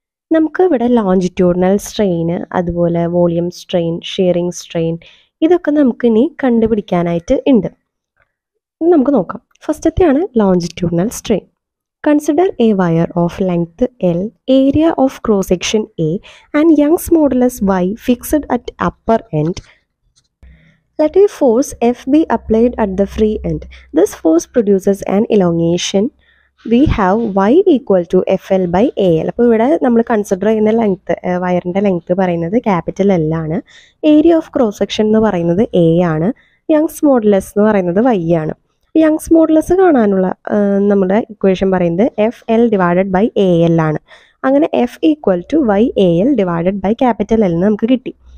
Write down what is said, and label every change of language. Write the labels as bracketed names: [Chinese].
[Malayalam] നമുക്ക് ഇവിടെ longitudinal strain, അതുപോലെ വോളിയം സ്ട്രെയിൻ, ഷെയറിങ് സ്ട്രെയിൻ, ഇതൊക്കെ നമുക്ക് ഇനി കണ്ടുപിടിക്കാനായിട്ട് ഉണ്ട്. നമുക്ക് നോക്കാം. [English] ഫസ്റ്റത്തെയാണ് longitudinal strain. Consider a wire of length L, area of cross section A, and Young's modulus Y fixed at upper end. Let a force F be applied at the free end. This force produces an elongation. We have Y equal to FL by AL. [Malayalam] അപ്പോൾ ഇവിടെ നമ്മൾ consider ചെയ്യുന്ന length, വയറിൻ്റെ length പറയുന്നത് capital L ആണ്. Area of cross section എന്ന് പറയുന്നത് A ആണ്. യങ്സ് മോഡുലസ് എന്ന് പറയുന്നത് Y ആണ്. യങ്സ് മോഡുലസ് കാണാനുള്ള നമ്മുടെ ഇക്വേഷൻ പറയുന്നത് F L divided by A L ആണ്. അങ്ങനെ F equal to Y A L divided by capital L എന്ന് നമുക്ക് കിട്ടി.